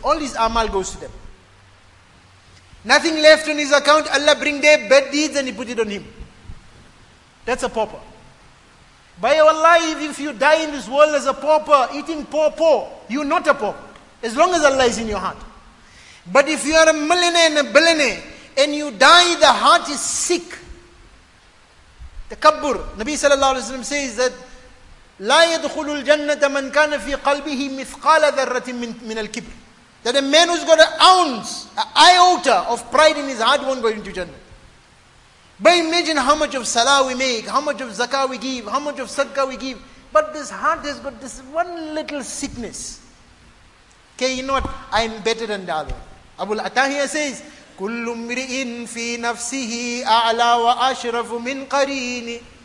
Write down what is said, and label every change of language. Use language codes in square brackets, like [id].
[en] All his amal goes to them. Nothing left on his account. Allah bring their bad deeds and he put it on him. That's a pauper. By your life, if you die in this world as a pauper, eating pauper, you're not a pauper, as long as Allah is in your heart. But if you are a millionaire and a billionaire, and you die, the heart is sick. Takabbur. [ar] Nabi sallallahu alayhi wa sallam says that, لَا يَدْخُلُ الْجَنَّةَ مَنْ كَانَ فِي قَلْبِهِ مِثْقَالَ ذَرَّةٍ مِنَ الْكِبْرِ. [en] That a man who's got an ounce, an iota of pride in his heart won't go into Jannah. But imagine how much of salah we make, how much of zakah we give, how much of sadqah we give. But this heart has got this one little sickness. Okay, you know what? I'm better than the other. [ar] Abu al-Atahiyya says, كُلُّ مِرِئٍ فِي نَفْسِهِ أَعْلَى وَأَشْرَفُ مِنْ قَرِينِ.